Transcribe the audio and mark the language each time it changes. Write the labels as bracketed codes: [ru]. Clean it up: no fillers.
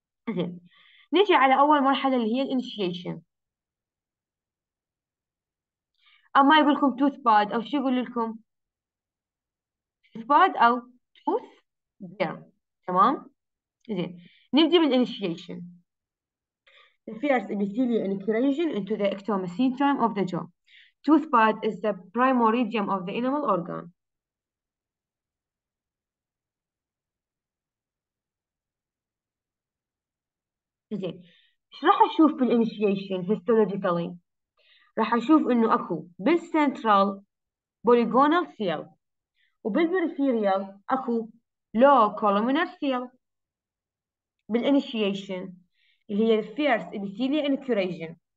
[ar] زين، نجي على أول مرحلة اللي هي الانيشيشن. أما يقول لكم توث باد أو شو يقول لكم؟ توث باد أو توث جيرم، تمام؟ زين، نبدأ بالانيشيشن. [en] The first epithelial incision into the ectomesenchym of the jaw. Tooth pad is the primordium of the enamel organ. [ar] زين، ايش راح اشوف بالانيشيشن هيستولوجيكالي؟ راح اشوف انه اكو بالسنترال بوليجونال سيل، وبالبريفيريال اكو لو كولومينر سيل. بالانيشيشن اللي هي [en] the first epithelial incision.